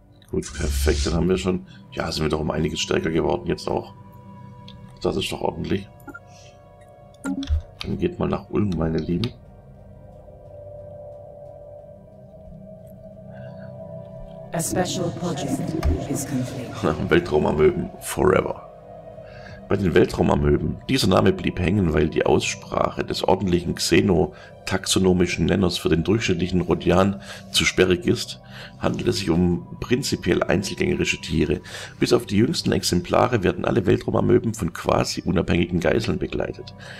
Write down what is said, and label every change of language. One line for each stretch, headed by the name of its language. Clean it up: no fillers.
German: Gut, perfekt. Dann haben wir schon... Ja, sind wir doch um einiges stärker geworden jetzt auch. Das ist doch ordentlich. Dann geht mal nach Ulm, meine Lieben.
English: A special project is complete.
German: Weltraumamöben
English: forever.
German: bei den Weltraumamöben. Dieser Name blieb hängen, weil die Aussprache des ordentlichen xenotaxonomischen Nenners für den durchschnittlichen Rodian zu sperrig ist, handelt es sich um prinzipiell einzelgängerische Tiere. Bis auf die jüngsten Exemplare werden alle Weltraumamöben von quasi unabhängigen Geißeln begleitet.